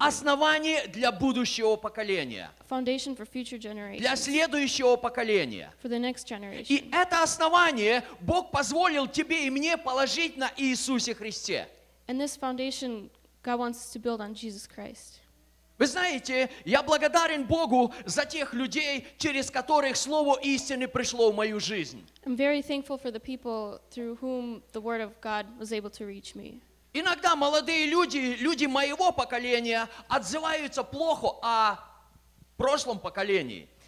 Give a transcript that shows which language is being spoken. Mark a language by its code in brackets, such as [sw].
[ru] Основание для будущего поколения. [en] A foundation for future generations. [ru] Для следующего поколения. [en] For the next generation. [ru] И это основание Бог позволил тебе и мне положить на Иисусе Христе. [en] And this foundation God wants to build on Jesus Christ. [ru] Вы знаете, я благодарен Богу за тех людей, через которых Слово истины пришло в мою жизнь. [en] I'm very thankful for the people through whom the Word of God was able to reach me. [ru] Иногда молодые люди моего поколения, отзываются плохо о прошлом поколении.